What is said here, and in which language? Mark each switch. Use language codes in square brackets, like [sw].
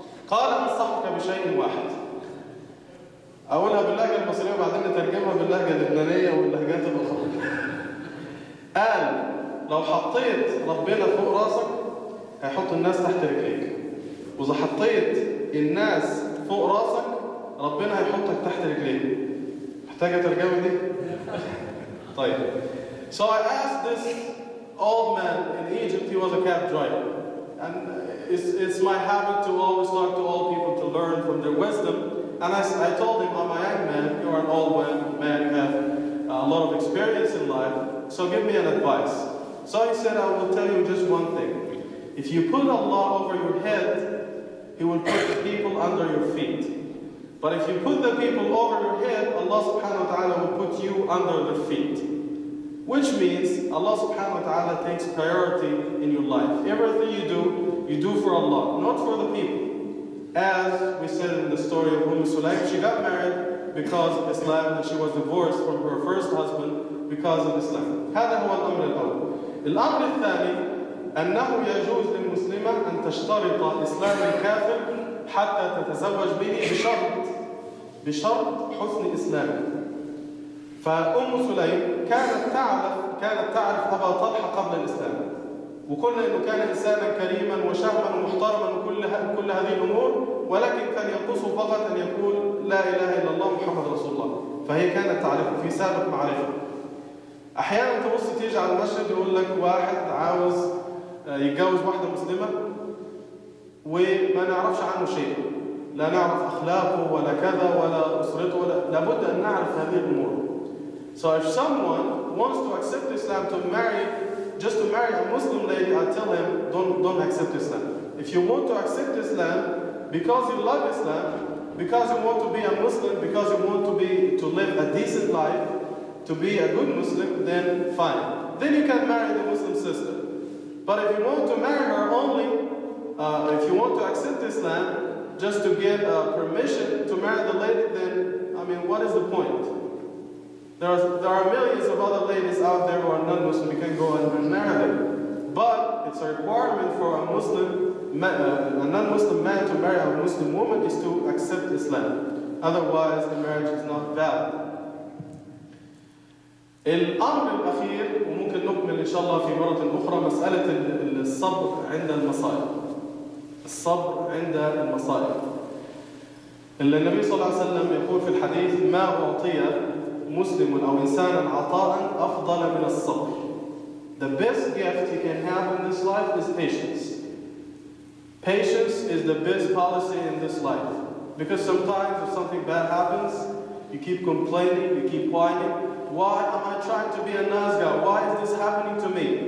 [ar] قال انصحك بشيء واحد. اقولها باللهجه المصريه وبعدين نترجمها باللهجه اللبنانيه واللهجات الاخرى. قال لو حطيت ربنا فوق راسك هيحط الناس تحت رجليك. واذا حطيت الناس فوق راسك ربنا هيحطك تحت رجليك. محتاجه ترجمه دي؟ طيب. [en] So I asked this old man in Egypt, he was a cab driver. And it's my habit to always talk to old people to learn from their wisdom. And I told him, I'm a young man, you are an old man, you have a lot of experience in life, so give me an advice. So he said, I will tell you just one thing. If you put Allah over your head, he will put the people under your feet. But if you put the people over your head, Allah subhanahu wa ta'ala will put you under their feet. Which means Allah subhanahu wa ta'ala takes priority in your life. Everything you do for Allah, not for the people. As we said in the story of Umm Sulaym, she got married because of Islam and she was divorced from her first husband because of Islam. [ar] هذا هو الأمر الأول. الأمر الثاني أنه يجوز للمسلمة أن تشترط إسلام الكافر حتى تتزوج به بشرط حسن إسلام. فأم سليم كانت تعرف أبا طلحة قبل الإسلام. وقلنا إنه كان إنسانا كريما وشهما ومحترما كل هذه الأمور، ولكن كان ينقصه فقط أن يقول لا إله إلا الله محمد رسول الله. فهي كانت تعرفه في سابق معرفة. أحيانا تبص تيجي على المشهد يقول لك واحد عاوز يتجوز واحدة مسلمة وما نعرفش عنه شيء. لا نعرف أخلاقه ولا كذا ولا أسرته ولا لابد أن نعرف هذه الأمور. [en] So if someone wants to accept Islam to marry, just to marry a Muslim lady, I tell him, don't accept Islam. If you want to accept Islam, because you love Islam, Because you want to be a Muslim, because you want to be to live a decent life, to be a good Muslim, then fine. Then you can marry the Muslim sister. But if you want to marry her only, if you want to accept Islam, just to get permission to marry the lady, then, I mean, what is the point? There are millions of other ladies out there who are non-Muslim, you can go and marry them. But it's a requirement for a Muslim man, a non-Muslim man to marry a Muslim woman is to accept Islam. Otherwise, the marriage is not valid. [ar] الأمر الأخير وممكن نكمل إن شاء الله في مرة أخرى مسألة الصبر عند المصائب. الصبر عند المصائب. اللي النبي صلى الله عليه وسلم يقول في الحديث ما أعطي مسلم أو إنسان عطاء أفضل من الصبر. [en] The best gift you can have in this life is patience. Patience is the best policy in this life. Because sometimes if something bad happens, you keep complaining, you keep whining. Why am I trying to be a nice guy? Why is this happening to me?